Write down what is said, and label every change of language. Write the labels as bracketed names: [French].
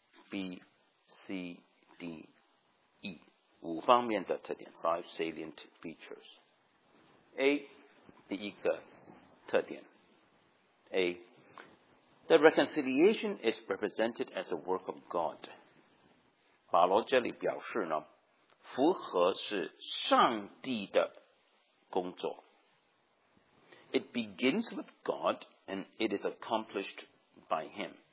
[Chinese] B, C, D, E 5方面的特点 ， [English] five salient features. [Chinese] A, 第一个特点。A. [English] The reconciliation is represented as a work of God. [Chinese] 保罗这里表示呢，复合是上帝的工作。It [English] begins with God and it is accomplished by Him.